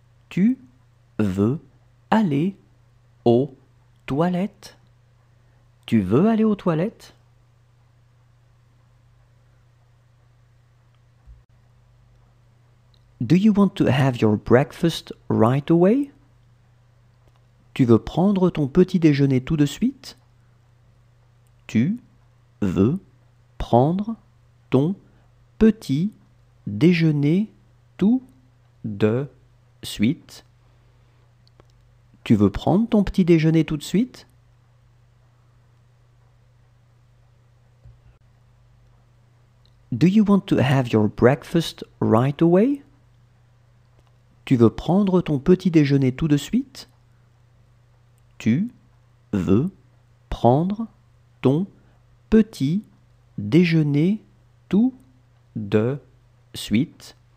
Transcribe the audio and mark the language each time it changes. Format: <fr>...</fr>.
<fr>Tu veux aller aux toilettes? Tu veux aller aux toilettes?</fr> <en>Do you want to have your breakfast right away?</en> <fr>Tu veux prendre ton petit déjeuner tout de suite? Tu veux prendre ton petit déjeuner tout de suite? Tu veux prendre ton petit déjeuner tout de suite?</fr> <en>Do you want to have your breakfast right away?</en> <fr>Tu veux prendre ton petit déjeuner tout de suite? Tu veux prendre ton petit déjeuner tout de suite?</fr>